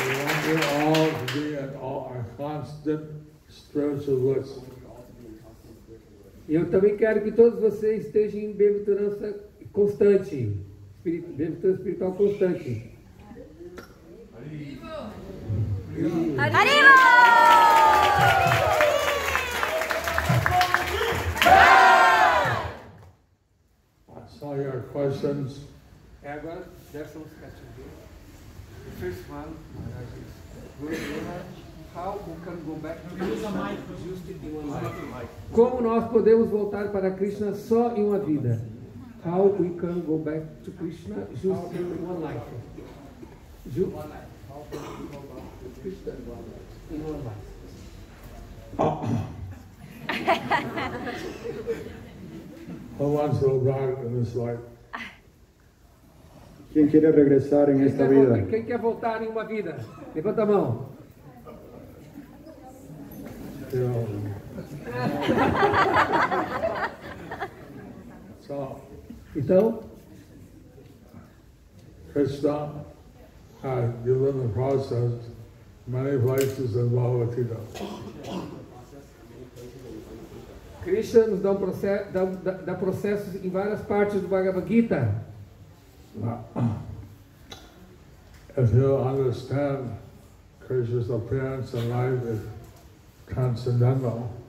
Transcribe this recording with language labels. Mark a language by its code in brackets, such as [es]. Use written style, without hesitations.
[en] We want you all to be at all our constant spiritual bliss. [pt] E eu também quero que todos vocês estejam em aventurança constante. Aventurança espiritual constante. Arriba! Arriba! [en] All your questions. Okay, [pt] agora, [en] there's some questions here. The first one, is how we can go back to Krishna? [pt] Como nós podemos voltar para Krishna só em uma vida? [en] How we can go back to Krishna just in one life? One life. How can we go back to Krishna in one life? Who wants to go back in this life? [pt] Quem quer regressar em esta vida? Quem quer voltar em uma vida? Levanta a mão. [en] So, [pt] então, [en] Krishna has given the process many places in Bhagavad Gita. [pt] Krishna nos dá um processo, dá processos em várias partes do Bhagavad Gita. [en] If you understand Krishna's appearance and life is transcendental.